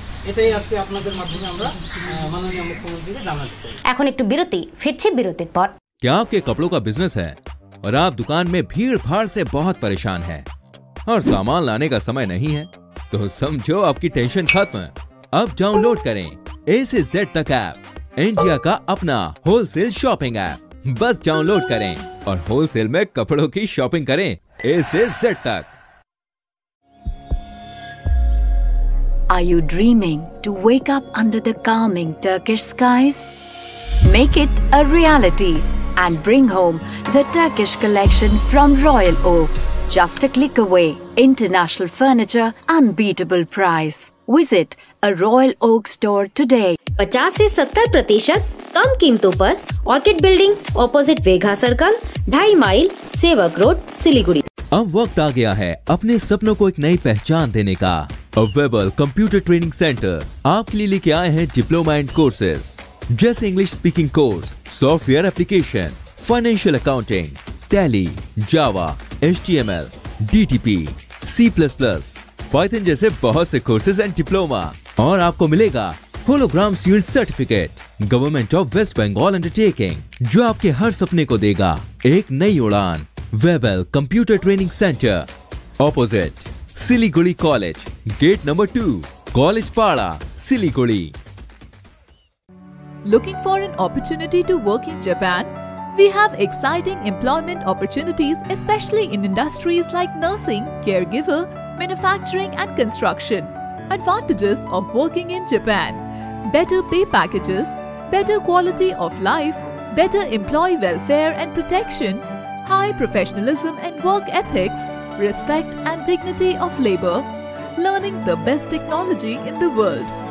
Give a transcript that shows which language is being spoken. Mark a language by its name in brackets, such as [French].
[Bangla] এটাই আজকে আপনাদের মাধ্যমে আমরা মাননীয় মুখ্যমন্ত্রীকে জানাতে চাই। এখন একটু বিরতি, ফিরছি বিরতির পর। [Hindi] क्या आपके कपड़ों का बिजनेस है और आप दुकान में भीड़ भाड़ से बहुत परेशान हैं और सामान लाने का समय नहीं है, तो समझो आपकी टेंशन खत्म। अब डाउनलोड करें A से Z तक ऐप, इंडिया का अपना होलसेल शॉपिंग ऐप। बस डाउनलोड करें और होलसेल में कपड़ों की शॉपिंग करें ए से जेड तक। [English] Are you dreaming to wake up under the calming Turkish skies? Make it a reality and bring home the Turkish collection from Royal Oak. Just a click away. International furniture, unbeatable price. Visit a Royal Oak store today. [Hindi] 50-70% कम कीमतों पर orchid building opposite वेघा circle 2.5 mile सेवक road Siliguri. अब वक्त आ गया है अपने सपनों को एक नई पहचान देने का। अवेबल कंप्यूटर ट्रेनिंग सेंटर आपके लिए लेके आए हैं डिप्लोमा एंड कोर्सेज, जैसे English speaking course, software application, financial accounting, tally, जावा, HTML, DTP, C++, पाइथन जैसे बहुत से कोर्सेज एंड डिप्लोमा। और आपको मिलेगा hologram sealed certificate government of waste Bengal undertaking, जो आपके हर सपने को देगा एक नई उड़ान। वेबल computer training centre opposite Siliguri college, Gate No. 2, college पाड़ा, Siliguri. [English] Looking for an opportunity to work in Japan? We have exciting employment opportunities specially in industries like nursing, care giver, manufacturing and construction. Advantages of working in Japan: better pay packages, better quality of life, better employee welfare and protection, high professionalism and work ethics, respect and dignity of labor, learning the best technology in the world.